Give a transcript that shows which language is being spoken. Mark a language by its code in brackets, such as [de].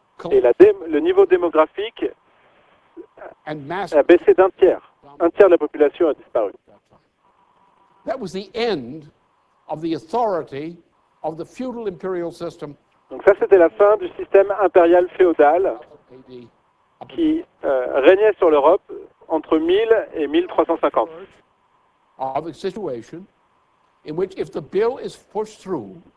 [fr] Et le niveau démographique a baissé d'un tiers. Un tiers de la population a disparu. [en] That was the end of the authority of the feudal imperial system. [fr] Donc ça, c'était la fin du système impérial féodal qui régnait sur l'Europe entre 1000 et 1350. [en] Of a situation in which if the bill is pushed through,